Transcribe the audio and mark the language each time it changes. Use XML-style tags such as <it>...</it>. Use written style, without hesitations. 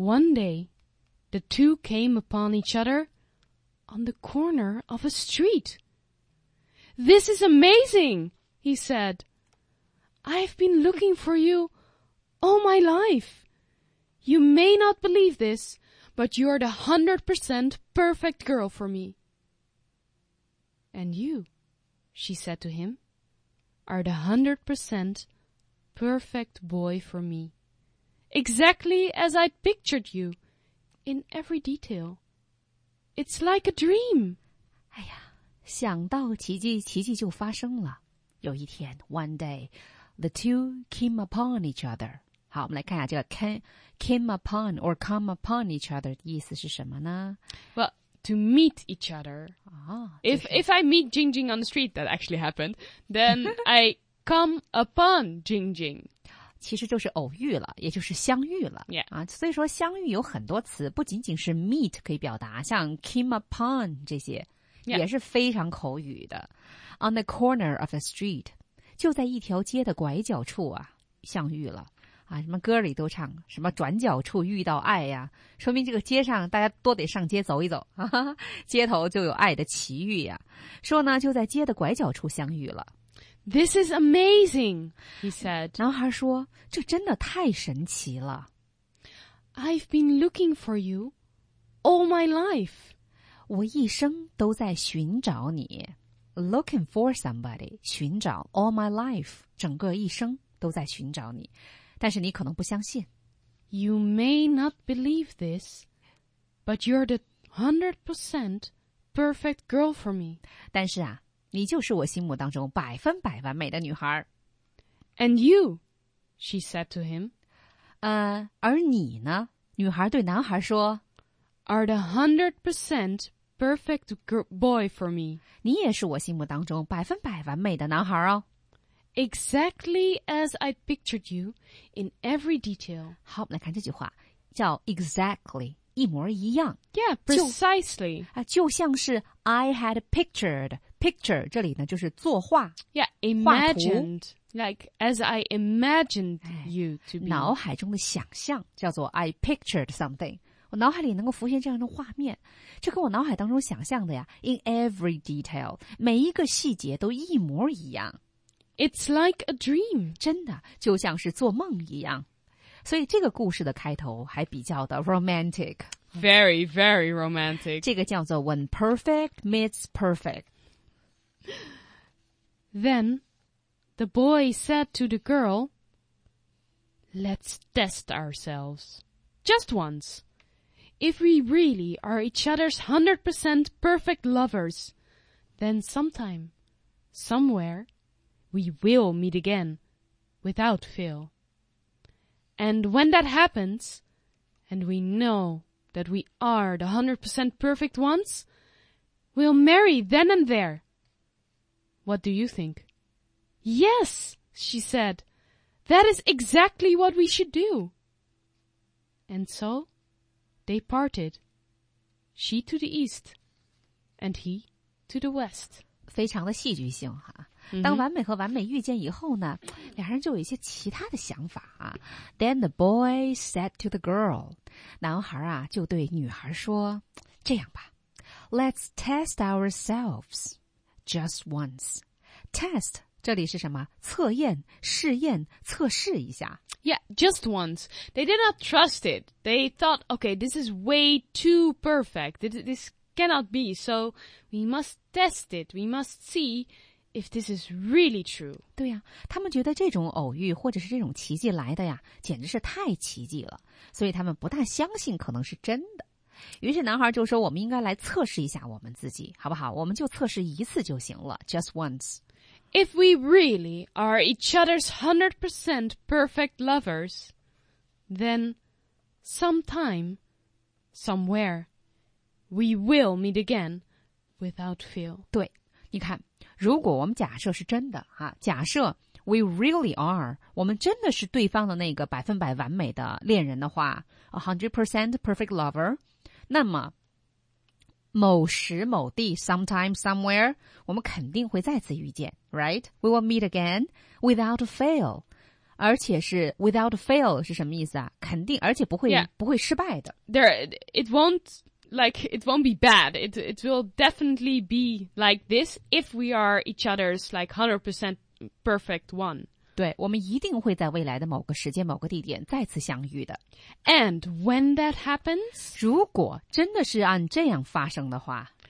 <en>One day, the two came upon each other on the corner of a street. This is amazing, he said. I've been looking for you all my life. You may not believe this. But you are the 100% perfect girl for me. And you, she said to him, are the 100% perfect boy for me. exactly as I'd pictured you, in every detail. It's like a dream.</en> <zh>哎呀，想到奇迹，奇迹就发生了。有一天</zh> <en>，one day, the two came upon each other.</en> <zh>好，我们来看一下这个</zh> <en>came upon or come upon each other</en> <zh>的意思是什么呢</zh> <en>？Well, to meet each other. 啊、 if I meet Jing Jing on the street, that actually happened. Then I come upon Jing Jing.</en> <zh>其实就是偶遇了，也就是相遇了。</zh> <en>Yeah.</en> <zh>啊，所以说相遇有很多词，不仅仅是 meet 可以表达，像</zh> <en>came upon</en> <zh>这些。</zh> <en>Yeah.</en> <zh>也是非常口语的</zh> <en>On the corner of a street</en> <zh>就在一条街的拐角处啊相遇了啊，什么歌里都唱什么转角处遇到爱呀、啊，说明这个街上大家都得上街走一走、啊、街头就有爱的奇遇呀、啊。说呢就在街的拐角处相遇了</zh> <en>This is amazing he said</en> <zh>男孩说这真的太神奇了</zh> <en>I've been looking for you all my life</en> <zh>我一生都在寻找你 ，</zh> <en>looking for somebody，</en> <zh>寻找</zh> <en>all my life，</en> <zh>整个一生都在寻找你。但是你可能不相信</zh> <en>，You may not believe this， but you're the 100% perfect girl for me。</en> <zh>但是啊，你就是我心目当中百分百完美的女孩。</zh> <en>And you， she said to him，</en> <zh>而你呢？女孩对男孩说</zh> <en>，Are the 100%。 Perfect boy for me.</en> <zh>你也是我心目当中百分百完美的男孩哦。</zh> <en>Exactly as I pictured you in every detail.</en> <zh>好，我们来看这句话，叫 exactly, 一模一样。</zh> <en>Yeah, precisely.</en> <zh>就像是</zh> <en>I had pictured.</en> <zh>Picture, 这里呢就是作画。</zh> <en>Yeah, imagined. Like as I imagined you to be.</en> <zh>脑海中的想象叫做 I pictured something. 我脑海里能够浮现这样的画面，就跟我脑海当中想象的呀 ，</zh> <en>in every detail，</en> <zh>每一个细节都一模一样。</zh> <en>It's like a dream，</en> <zh>真的就像是做梦一样。所以这个故事的开头还比较的 romantic，</zh> <en>very very romantic。</en> <zh>这个叫做</zh> <en>when perfect meets perfect。 Then the boy said to the girl， "Let's test ourselves just once." If we really are each other's 100% perfect lovers, then sometime, somewhere, we will meet again, without fail. And when that happens, and we know that we are the 100% perfect ones, we'll marry then and there. What do you think? Yes, she said, that is exactly what we should do. And so... They parted, she to the east, and he to the west.</en> <zh>非常的戏剧性哈、啊。Mm-hmm. 当完美和完美遇见以后呢，两人就有一些其他的想法啊。</zh> <en>Then the boy said to the girl,</en> <zh>男孩啊就对女孩说，这样吧</zh> <en>，Let's test ourselves just once.</en> <zh>Test 这里是什么？测验、试验、测试一下。</zh> <en>Yeah, just once. They did not trust it. They thought, okay, this is way too perfect. This cannot be. So we must test it. We must see if this is really true.</en> <zh>对呀、啊，他们觉得这种偶遇或者是这种奇迹来的呀，简直是太奇迹了。所以他们不大相信可能是真的。于是男孩就说，我们应该来测试一下我们自己，好不好？我们就测试一次就行了。</zh> <en>Just once. If we really are each other's 100% perfect lovers, then sometime, somewhere, we will meet again without fail.</en> <zh>对，你看，如果我们假设是真的哈、啊，假设</zh> <en>we really are,</en> <zh>我们真的是对方的那个百分百完美的恋人的话 ,</zh> <en>100% perfect lover,</en> <zh>那么某时某地 ,</zh> <en>sometime, somewhere,</en> <zh>我们肯定会再次遇见 ,right?</zh> <en>We will meet again without fail.</en> <zh>而且是</zh> <en>without fail</en> <zh>是什么意思啊肯定而且不会、</zh> <en>yeah.</en> <zh>不会失败的。</zh> <en>There, it won't be bad. It will definitely be like this if we are each other's like 100% perfect one.</en> <zh>对我们一定会在未来的某个时间某个地点再次相遇的。</zh> <en>And when that happens,</en> <zh>如果真的是按这样发生的话</zh>